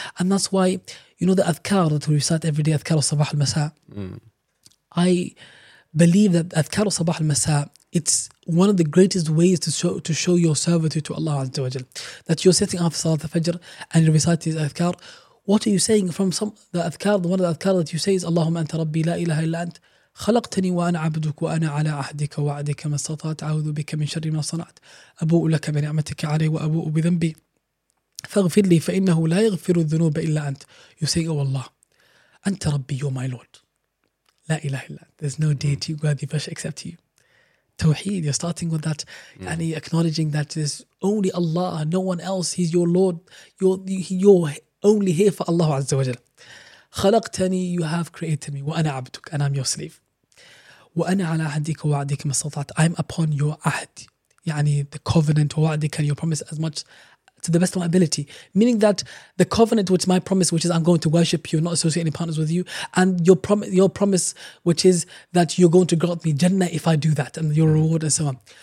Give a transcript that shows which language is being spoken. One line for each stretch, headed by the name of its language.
English: And that's why, you know, the adhkar that we recite every day, adhkar al-sabah al-masa. I believe that adhkar al-sabah al-masa, it's one of the greatest ways to show your servitude to Allah Azza wa Jal. That you're sitting after Salat al-Fajr and you recite these adhkar. What are you saying from the adhkar? One of the adhkar that you say is,
Arabic: Allahumma anta rabbi la ilaha illa ant. خلقتني وأنا عبدك وأنا على عهدك وعدك ما استطعت أعوذ بك من شر ما صنعت أبوء لك بنعمتك علي وأبوء بذنبي فاغفر لي فإنه لا يغفر الذنوب إلا أنت.
English: You say, oh Allah,
Arabic: أنت ربي,
English: you're my Lord.
Arabic: لا إله إلا أنت.
English: There's no deity worthy except you. Tawheed, you're starting with that. يعني acknowledging that there's only Allah, no one else, He's your Lord. You're only here for Allah عز وجل.
Arabic: خلقتني,
English: you have created me.
Arabic: وأنا عبدك,
English: and I'm your slave.
Arabic: وأنا على عهدك وعدك ما استطعت.
English: I'm upon your عهد. يعني the covenant,
Arabic: وعدك,
English: and your promise as much to the best of my ability. Meaning that the covenant, which is my promise, which is I'm going to worship you, not associate any partners with you, and your promise, which is that you're going to grant me Jannah if I do that, and your reward and so on.